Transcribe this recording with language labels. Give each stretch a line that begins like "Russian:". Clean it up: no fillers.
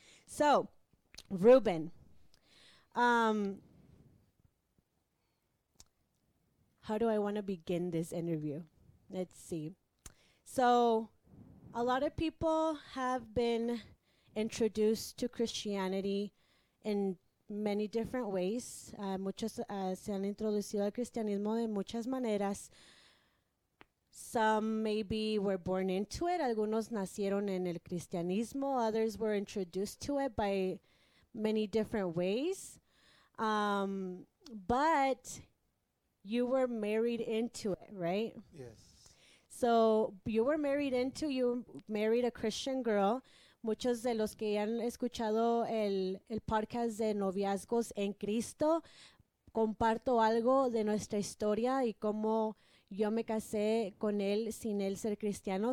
English: So, Ruben, how do I want to begin this interview? Let's see. So, a lot of people have been introduced to Christianity in many different ways.
Spanish: Muchos se han introducido al cristianismo de muchas maneras.
English: Some maybe were born into it.
Spanish: Algunos nacieron en el cristianismo.
English: Others were introduced to it by many different ways. But you were married into it, right? Yes. So you were married into, you married a Christian girl.
Spanish: Muchos de los que han escuchado el podcast de Noviazgos en Cristo, comparto algo de nuestra historia y cómo yo me casé con él sin él ser cristiano.